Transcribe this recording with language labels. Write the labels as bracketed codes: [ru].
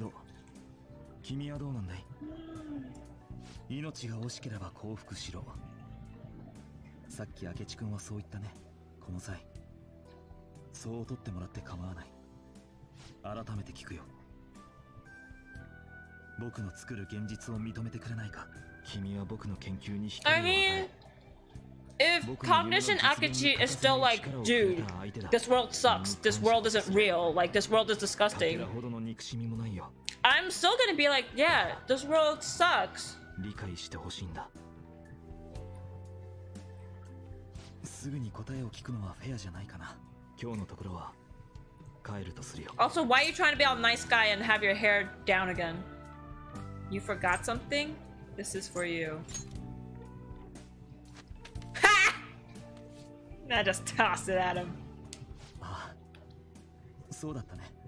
[en] If you want to be happy, be happy. You said that Akechi said that. [ja] この際、そう取ってもらって構わない。改めて聞くよ。僕の作る現実を認めてくれないか。君は僕の研究に引き入れられない。 [en] If cognition Akechi is still like, dude, this world sucks. This world isn't real. Like this world is disgusting. [ja] ほどの憎しみもないよ。 [en] I'm still gonna be like, yeah, this world sucks. [ja] 理解してほしいんだ。すぐに答えを聞くのはフェアじゃないかな。今日のところは帰るとするよ。 [en] Also, why are you trying to be all nice guy and have your hair down again? You forgot something? This is for you. Ha! I just tossed it at him. [ja] ああ、そうだったね。